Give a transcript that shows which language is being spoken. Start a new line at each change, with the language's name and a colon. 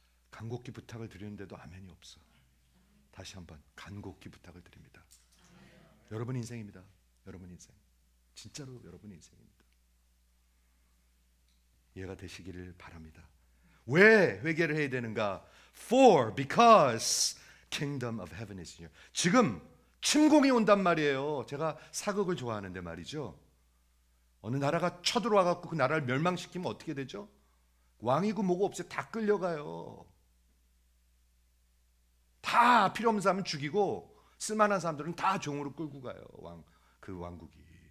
Korean: 간곡히 부탁을 드리는데도 아멘이 없어. 다시 한번 간곡히 부탁을 드립니다. 여러분 인생입니다. 여러분 인생. 진짜로 여러분 인생입니다. 이해가 되시기를 바랍니다. 왜 회개를 해야 되는가?
English: For, because kingdom of heaven is near.
Korean: 지금 침공이 온단 말이에요. 제가 사극을 좋아하는데 말이죠. 어느 나라가 쳐들어와서 그 나라를 멸망시키면 어떻게 되죠? 왕이고 뭐고 없어요. 다 끌려가요. 다 필요 없는 사람은 죽이고 쓸만한 사람들은 다 종으로 끌고 가요. 그 왕국이.